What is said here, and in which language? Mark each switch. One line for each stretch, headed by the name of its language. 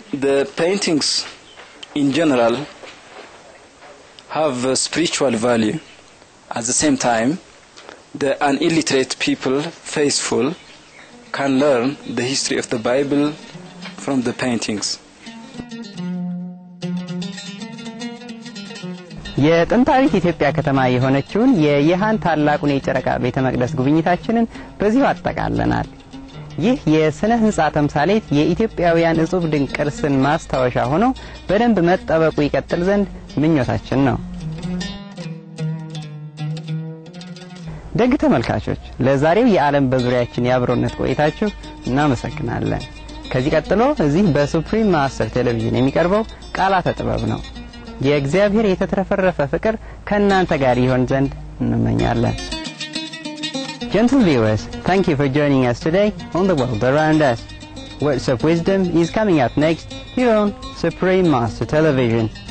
English: The paintings, in general, have a spiritual value. At the same time, the illiterate people, faithful, can learn the history of the Bible from the paintings.
Amharic: የጥንታዊት ኢትዮጵያ ከተማ የሆነችውን የይሁዳ ታላቁን የጨረቃ ቤተ መቅደስ ጉብኝታችንን በዚህ አጠቃለናል። ይህ የስነ ህንጻ ተምሳሌት የኢትዮጵያውያን እጹብ ድንቅርስን ማስተዋሻ ሆኖ በደንብ መጠበቁ ይቀጥል ዘንድ ምኞታችን ነው። ደግ ተመልካቾች፣ ለዛሬው የዓለም በዙሪያችን ያብሮነት ቆይታችሁ እናመሰግናለን። ከዚህ ቀጥሎ እዚህ በሱፕሪም ማስተር ቴሌቪዥን የሚቀርበው ቃላተ ጥበብ ነው። የእግዚአብሔር የተተረፈረፈ ፍቅር ከእናንተ ጋር ይሁን ዘንድ እንመኛለን።
English: Gentle viewers, thank you for joining us today on The World Around Us. Words of Wisdom is coming up next here on Supreme Master Television.